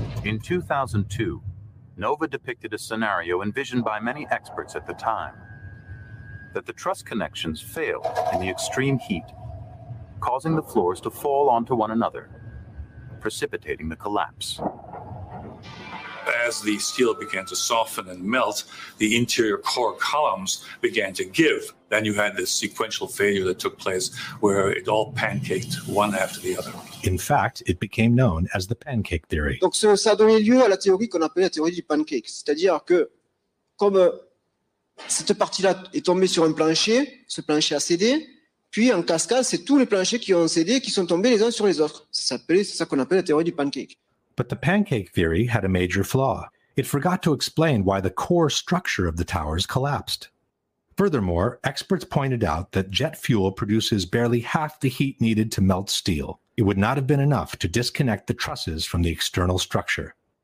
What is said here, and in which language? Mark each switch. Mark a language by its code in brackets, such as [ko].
[en] In 2002, Nova depicted a scenario envisioned by many experts at the time, that the truss connections failed in the extreme heat, causing the floors to fall onto one another, precipitating the collapse. As the steel began to soften and melt, the interior core columns began to give. Then you had this sequential failure that took place where it all pancaked one after the other. In fact, it became known as the pancake theory. [fr] Donc ça a donné lieu à la théorie qu'on appelait la théorie du pancake. C'est-à-dire que comme cette partie-là est tombée sur un plancher, ce plancher a cédé, puis en cascade, c'est tous les planchers qui ont cédé qui sont tombés les uns sur les autres. C'est ça qu'on appelle la théorie du pancake. [en] But the pancake theory had a major flaw. It forgot to explain why the core structure of the towers collapsed. Furthermore, experts pointed out that jet fuel produces barely half the heat needed to melt steel. It would not have been enough to disconnect the trusses from the external structure.